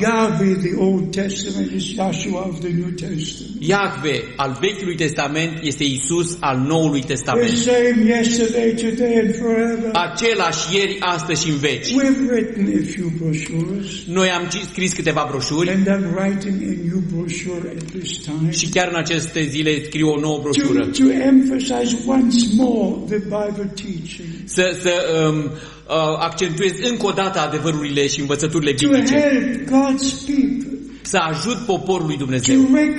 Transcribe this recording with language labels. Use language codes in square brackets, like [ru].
[en] Yahweh, the Old Testament, is Yahshua of the New Testament. [ro] Yahweh, al Vechiului Testament, este Iisus al Noului Testament. [en] The same yesterday, today and forever. [ro] Același ieri, astăzi și în veci. [en] We've written a few brochures. [ro] Noi am scris câteva broșuri. [en] And I'm writing a new brochure at this time. [ro] Și chiar în aceste zile scriu o nouă broșură. [en] To emphasize once more the Bible teaching. [ro] Accentuez încă o dată adevărurile și învățăturile biblice. Să ajut poporul lui Dumnezeu.